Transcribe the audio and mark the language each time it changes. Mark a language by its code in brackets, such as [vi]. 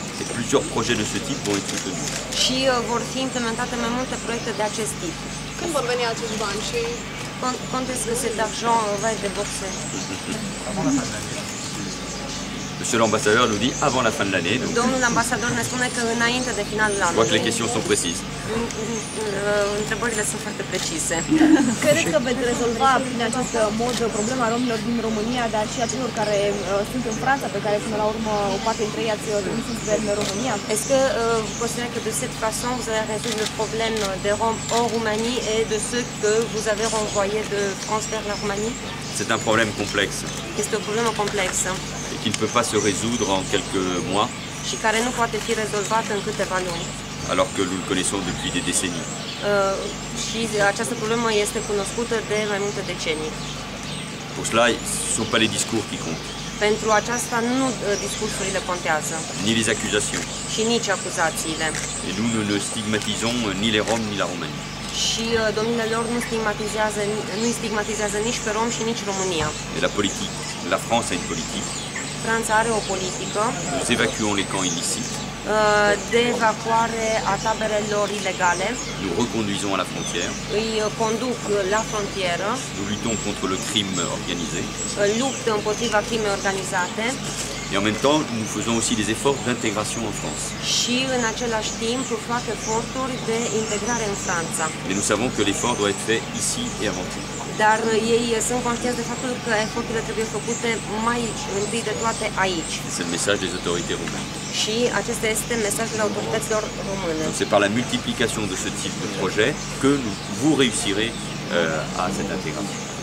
[fr] Et plusieurs projets de ce type vont être soutenus. Et vont être implémentés de nombreux projets de ce type. Quand vont venir ces banques? Quand est-ce que cet argent va être déboursé? Monsieur l'ambassadeur nous dit avant la fin de l'année. [ro] Domnul ambasador ne spune că înainte de final [fr] de l'année. Je crois que les questions sont précises. [ro] Întrebările sunt foarte precise. Credeți că veți rezolva prin acest mod problema romilor din România, dar și a celor care sunt în Franța, pe care până la urmă o parte dintre ei ați rămas în România? [fr] Est-ce que vous considérez que de cette façon vous allez résoudre le problème des Roms en Roumanie et de ceux que vous avez renvoyés de France vers la Roumanie? C'est un problème complexe. C'est un problème complexe. Et qui ne peut pas se résoudre en quelques mois. [ro] Și care nu poate fi rezolvat în câteva luni. [fr] Alors que nous le connaissons depuis des décennies. [ro] Și această problemă este cunoscută de mai multe decenii. [fr] Pour cela, ce ne sont pas les discours qui comptent. [ro] Pentru aceasta nu discursurile contează. [fr] Ni les accusations. [ro] Și nici acuzațiile. [fr] Et nous ne le stigmatisons ni les Roms ni la Roumanie. [ro] Și domnile lor nu stigmatizează nici pe Rom și nici România. [fr] Et la politique. La France a une politique. [ro] Franța are o politică. [fr] Nous évacuons les camps illicites. [ro] d'évacuare a taberelor ilegale. [fr] Nous reconduisons à la frontière. [ro] Îi conduc la frontieră. [fr] Nous luttons contre le crime organisé. [ro] Lupt împotriva crimei organizate. [fr] Et en même temps, nous faisons aussi des efforts d'intégration en France. [ro] Și în același timp fac eforturi de integrare în Franța. [fr] Mais nous savons que l'effort doit être fait ici et avant tout. [ro] Dar ei sunt conștienți de faptul că eforturile trebuie făcute mai întâi de toate aici. [fr] C'est le message des autorités roumaines. [ro] Și acesta este mesajul autorităților române. [fr] Donc c'est par la multiplication de ce type de projet que vous réussirez à cette intégration.